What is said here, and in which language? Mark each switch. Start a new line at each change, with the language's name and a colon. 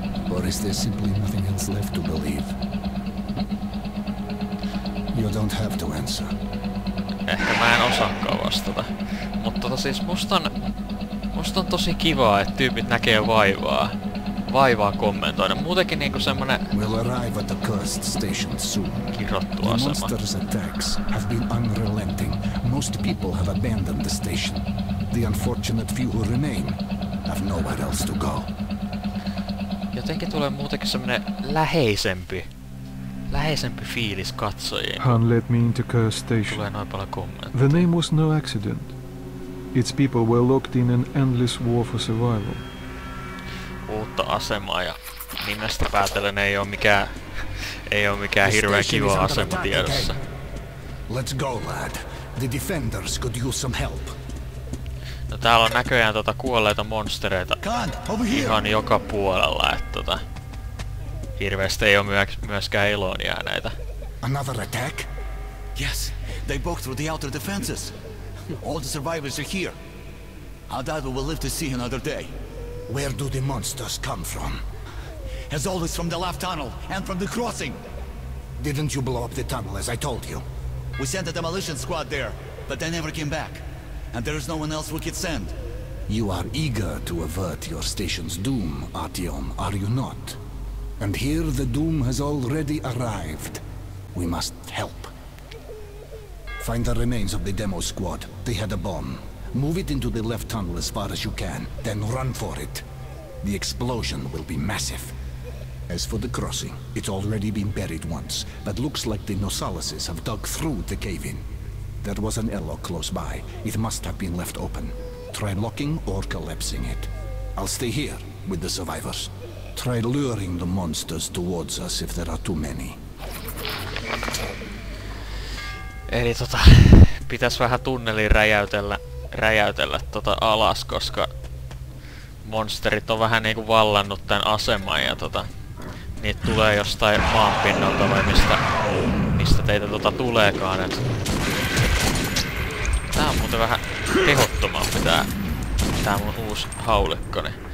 English: Or is there simply nothing else left to believe? You don't have to answer.
Finnish: Ehkä mä en osaakaan vastata. Mutta tota siis musta on tosi kivaa, että tyypit näkee vaivaa. Vaivaa kommentoida. Muutenkin niinku semmonen...
English: We'll arrive at the cursed station soon.
Finnish: Kirottu asema.
English: The monster's attacks have been unrelenting. Most people have abandoned the station. The unfortunate few who remain have nowhere else to go.
Finnish: Jotenkin tulee muutenkin semmonen läheisempi fiilis katsojiin.
English: Han led me into cursed station.
Finnish: Tulee noin paljon kommentteja.
English: The name was no accident. Its people were locked in an endless war for survival.
Finnish: Uutta asemaa ja nimestä päätellen ei oo mikään hirveän kiva asema tiedossa.
English: Let's go, lad. The defenders could use some help.
Finnish: No täällä on näköjään tota kuolleita monstereita ihan joka puolella, että tota hirveästi ei oo myöskään iloon jääneitä.
English: Another attack? Yes, they broke through the outer defenses. All the survivors are here. Adado will live to see another day. Where do the monsters come from? As always, from the left tunnel and from the crossing. Didn't you blow up the tunnel as I told you? We sent a demolition squad there, but they never came back. And there is no one else we could send. You are eager to avert your station's doom, Artyom, are you not? And here the doom has already arrived. We must help. Find the remains of the demo squad. They had a bomb. Move it into the left tunnel as far as you can, then run for it. The explosion will be massive. As for the crossing, it's already been buried once, but looks like the Nosalises have dug through the cave-in. There was an airlock close by. It must have been left open. Try locking or collapsing it. I'll stay here with the survivors. Try luring the monsters towards us if there are too many.
Finnish: Eli tota, pitäis vähän tunnelin räjäytellä tota alas, koska monsterit on vähän niinku vallannut tän aseman ja tota niitä tulee jostain maanpinnalta vai mistä teitä tota tuleekaan, et tää on muuten vähän tehottomampi tää mun uus haulikkoni.